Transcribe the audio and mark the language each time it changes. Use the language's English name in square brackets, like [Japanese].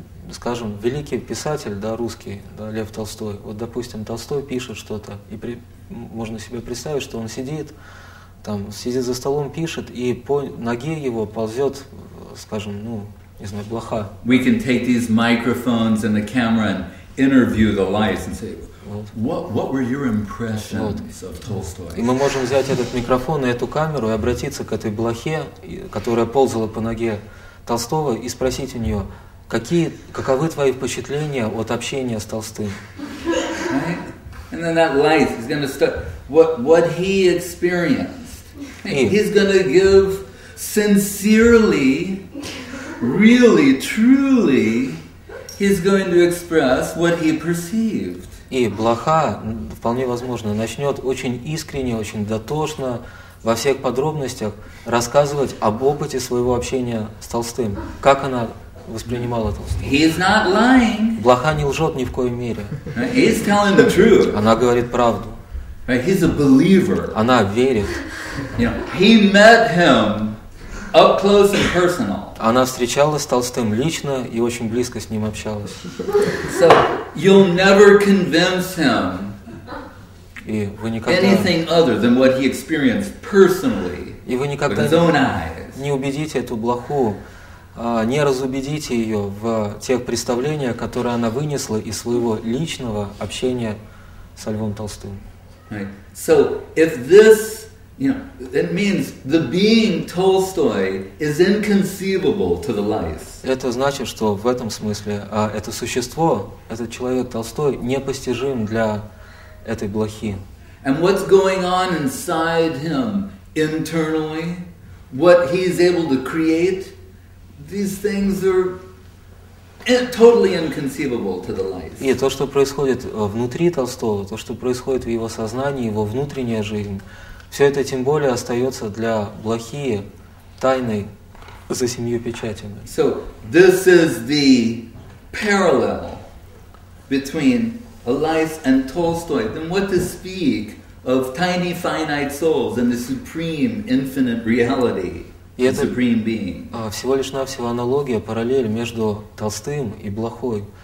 [Russian] Скажем, великий писатель, да, русский, да, Лев Толстой. Вот, допустим, Толстой пишет что-то, и можно себе представить, что он сидит за столом, пишет, и по ноге его ползет, скажем, ну, не знаю, блоха. [English] We can take these microphones and the camera and interview the lice and say, What were your impressions of Tolstoy? [Russian] И мы можем взять этот микрофон и эту камеру и обратиться к этой блохе, которая ползала по ноге Толстого, и спросить у нее, каковы твои впечатления от общения с Толстым? [English] Right? And then that light is going to start. What he experienced? He's going to give sincerely, really, truly, he's going to express what he perceived. [Russian] И блоха, вполне возможно, начнет очень искренне, очень дотошно, во всех подробностях рассказывать об опыте своего общения с Толстым. Как она воспринимала Толстого. [English] He's not lying. [Russian] Блоха не лжет ни в коей мере. [English] He's telling the truth. [Russian] Она говорит правду. [English] He's a believer. [Russian] Она верит. [English] You know, he met him up close and personal. [Russian] Она встречалась с Толстым лично и очень близко с ним общалась. [English] So, you'll never convince him anything other than what he experienced personally. [Russian] И вы никогда не убедите эту блоху, не разубедите ее в тех представлениях, которые она вынесла из своего личного общения со Львом Толстым. [English] Right. So, if this it means the being Tolstoy is inconceivable to the lice. [Russian] Это значит, что в этом смысле это существо, этот человек Толстой, непостижим для этой блохи. [English] And what's going on inside him internally, what he is able to create, these things are totally inconceivable to the lice. [Russian] И то, что происходит внутри Толстого, то, что происходит в его сознании, его внутренняя жизнь. Все это тем более остается для блохи тайной за семью печатями. [English] So this is the parallel between a lice and Tolstoy. Then what to speak of tiny finite souls and the supreme infinite reality. [Russian] Всего лишь навсего аналогия, параллель между толстым и блохой.